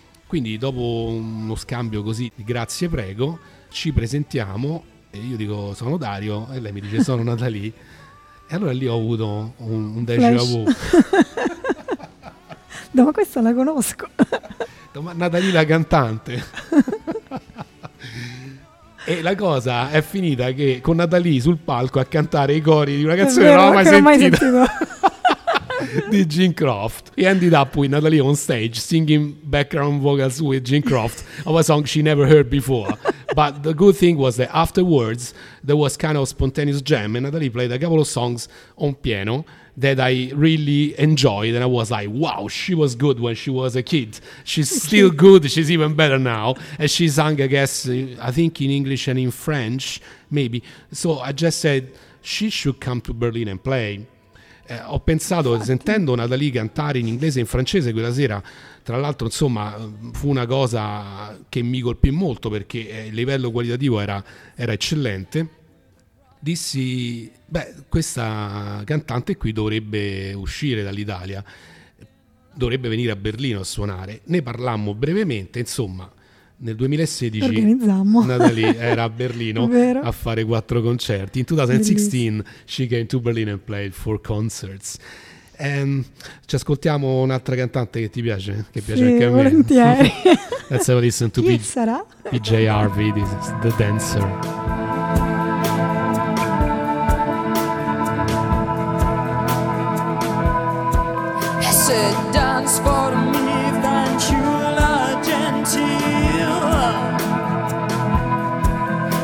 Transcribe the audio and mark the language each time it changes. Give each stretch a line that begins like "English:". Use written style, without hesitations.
Italian: Quindi dopo uno scambio così di grazie prego ci presentiamo e io dico sono Dario e lei mi dice sono Natalie, e allora lì ho avuto un déjà vu. No, ma questa la conosco. Ma Natalie la cantante. E la cosa è finita che con Natalie sul palco a cantare i cori di una canzone vero, non l'ho mai sentita, mai sentito. Di Jim Croft.
English: He ended up with Natalie on stage singing background vocals with Jim Croft of a song she never heard before. But the good thing was that afterwards there was kind of spontaneous jam and Natalie played a couple of songs on piano that I really enjoyed, and I was like, wow, she was good when she was a kid. She's still good, she's even better now. And she sang, I guess, I think in English and in French, maybe. So I just said, she should come to Berlin and play.
Italian: Ho pensato, sentendo Natalie cantare in inglese e in francese quella sera, tra l'altro, insomma, fu una cosa che mi colpì molto, perché il livello qualitativo era eccellente. Dissi, beh, questa cantante qui dovrebbe uscire dall'Italia, dovrebbe venire a Berlino a suonare. Ne parlammo brevemente, insomma, nel 2016 organizzammo. Natalie era a Berlino a fare quattro concerti.
English: In 2016 she came to Berlin and played four concerts.
Italian: Ci ascoltiamo un'altra cantante che ti piace, che sì, piace anche a me. Volentieri.
English: Let's have a listen to PJ Harvey, this is The Dancer. Said, dance for me, thank you,
Italian: la gentile.